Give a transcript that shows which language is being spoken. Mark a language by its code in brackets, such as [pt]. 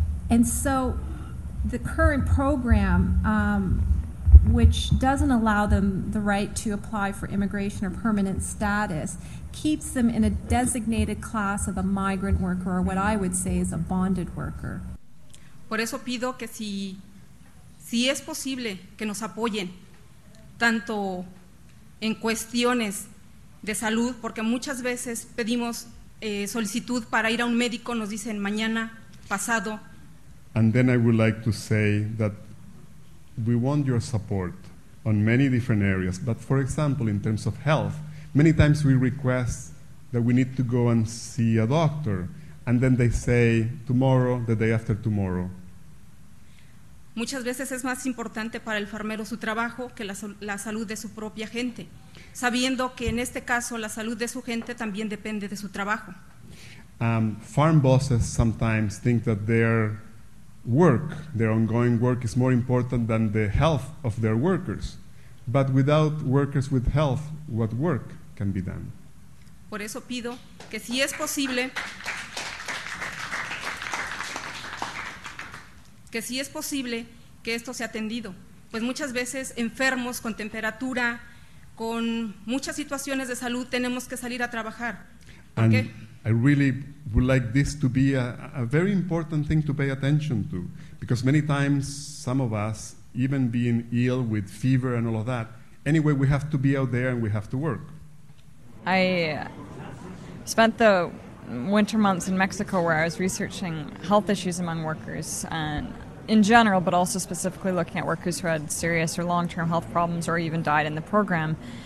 [en] And so the current program, which doesn't allow them the right to apply for immigration or permanent status, keeps them in a designated class of a migrant worker, or what I would say is a bonded worker. [es] Por eso pido que si es posible que nos apoyen tanto en cuestiones de salud, porque muchas veces pedimos solicitud para ir a un médico, nos dicen mañana, pasado. [en] And then I would like to say that we want your support on many different areas, but for example, in terms of health, many times we request that we need to go and see a doctor, and then they say tomorrow, the day after tomorrow. [es] Muchas veces es más importante para el farmero su trabajo que la salud de su propia gente, sabiendo que en este caso la salud de su gente también depende de su trabajo. [en] Farm bosses sometimes think that their ongoing work is more important than the health of their workers. But without workers with health, what work can be done? [es] Por eso pido que si es posible, que si es posible que esto sea atendido. Pues muchas veces enfermos con temperatura, con muchas situaciones de salud, tenemos que salir a trabajar. [en] And I really would like this to be a very important thing to pay attention to, because many times some of us, even being ill with fever and all of that, anyway, we have to be out there and we have to work. I spent the winter months in Mexico where I was researching health issues among workers and in general, but also specifically looking at workers who had serious or long-term health problems or even died in the program.